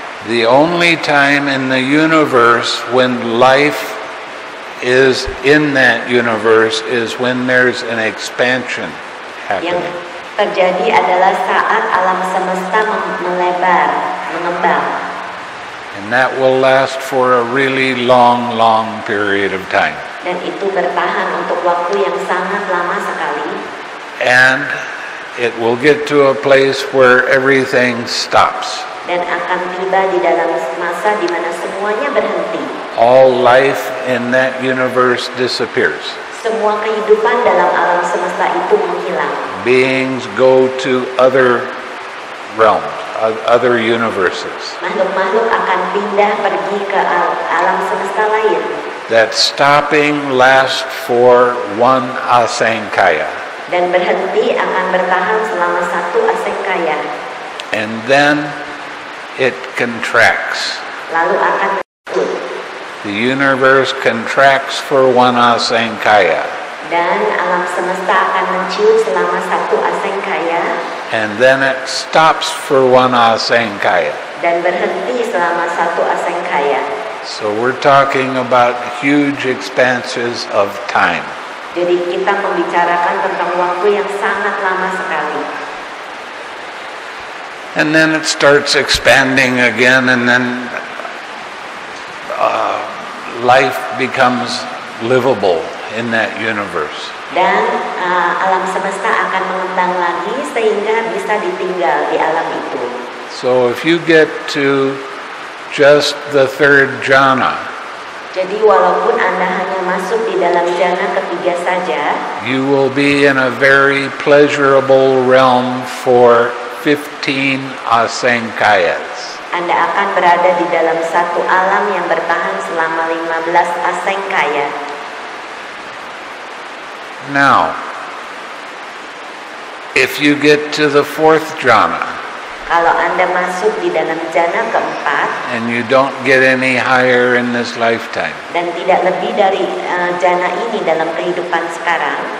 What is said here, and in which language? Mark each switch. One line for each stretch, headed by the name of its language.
English: The only time in the universe when life is in that universe is when there's an expansion happening.
Indonesian: Yang terjadi adalah saat alam semesta melebar, mengembang.
English: And that will last for a really long, long period of time.
Indonesian: Dan itu bertahan untuk waktu yang sangat lama sekali.
English: And it will get to a place where everything stops.
Indonesian: Dan akan tiba di dalam masa di mana semuanya berhenti.
English: All life in that universe disappears.
Indonesian: Semua kehidupan dalam alam semesta itu menghilang.
English: Beings go to other realms, other universes.
Indonesian: Makhluk-makhluk akan pindah pergi ke alam semesta lain.
English: That stopping lasts for one asengkaya.
Indonesian: Dan berhenti akan bertahan selama satu asengkaya.
English: And then it contracts.
Indonesian: Lalu akan
English: the universe contracts for one asengkaya.
Indonesian: Dan alam semesta akan mencium selama satu asengkaya.
English: And then it stops for one asengkaya.
Indonesian: Dan berhenti selama satu asengkaya.
English: So we're talking about huge expanses of time.
Indonesian: Jadi kita membicarakan tentang waktu yang sangat lama sekali.
English: And then it starts expanding again, and then life becomes livable in that universe.
Indonesian: Dan alam semesta akan mengembang lagi sehingga bisa ditinggal di alam itu.
English: So if you get to just the third jhana,
Indonesian: jadi walaupun Anda hanya masuk di dalam jhana ketiga saja,
English: you will be in a very pleasurable realm for 15 asengkayas.
Indonesian: Anda akan berada di dalam satu alam yang bertahan selama 15 asengkaya.
English: Now, if you get to the fourth jhana,
Indonesian: kalau Anda masuk di dalam jhana keempat,
English: and you don't get any higher in this lifetime,
Indonesian: dan tidak lebih dari jhana ini dalam kehidupan sekarang,